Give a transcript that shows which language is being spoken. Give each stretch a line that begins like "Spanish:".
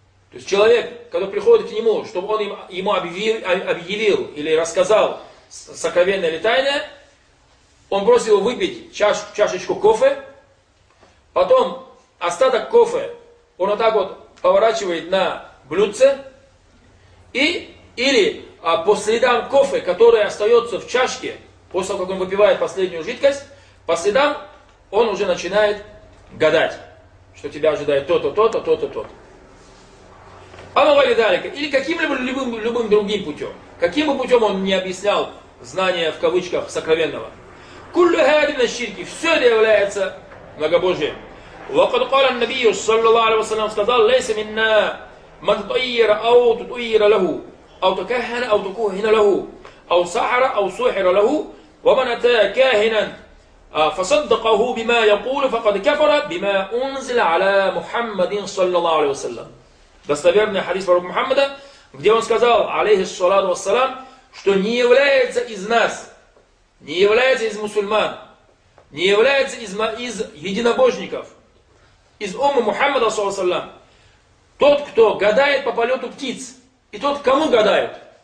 Russian: То есть человек, когда приходит к нему, чтобы он ему объявил или рассказал сокровенное или тайное, он просит его выпить чашечку кофе, потом остаток кофе он вот так вот поворачивает на блюдце, или по следам кофе, которое остается в чашке, после того, как он выпивает последнюю жидкость, по следам он уже начинает гадать, что тебя ожидает то-то, то-то, то-то, то-то. А мы говорим далее, или каким-либо любым другим путем, каким бы путем он ни объяснял знание в кавычках сокровенного.
Arabic: Куллю хадин аш-ширки,
Russian: все это является многобожием.
Arabic: وقد قال النبي صلى الله عليه وسلم
Russian: сказал
Arabic: ليس منا من طير او تطير له او تكهن او تكهن له او سحر او سحر له ومن اتى كاهنا فصدقه بما يقول فقد كفر بما انزل على محمد صلى الله عليه وسلم.
Russian: Достоверный хадис пророка Мухаммада, где он сказал алейхи ссаляту вассалам, что не является из нас, не является из мусульман, не является из единобожников, из уммы Мухаммада, салям, тот, кто гадает по полету птиц, и тот, кому гадают.